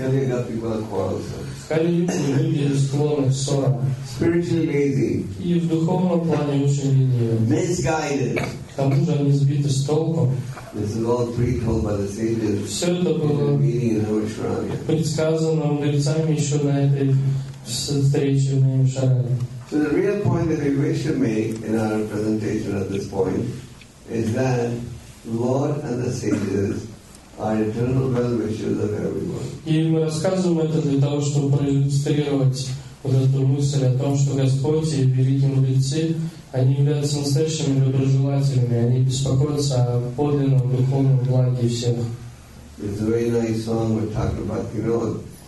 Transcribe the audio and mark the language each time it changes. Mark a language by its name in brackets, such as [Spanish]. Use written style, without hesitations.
[Russian] В Кали-югу люди склонны к ссорам. И в духовном плане очень ленивы. К тому же они сбиты с толком. [English] This is all pre-told by the sages in the meeting in Ushuraia. [Russian] Предсказано мудрецами еще на этой встрече в Ушарае. [English] So the real point that we wish to make in our presentation at this point is that Lord and the sages are eternal well-wishers of everyone. [Russian] И мы рассказываем это для того, чтобы проиллюстрировать вот эту мысль о том, что Господь и великие мудрецы, они являются настоящими доброжелателями, они беспокоятся о подлинном духовном благе всех. [English] It's a very nice song with Thakur Bhaktivinod.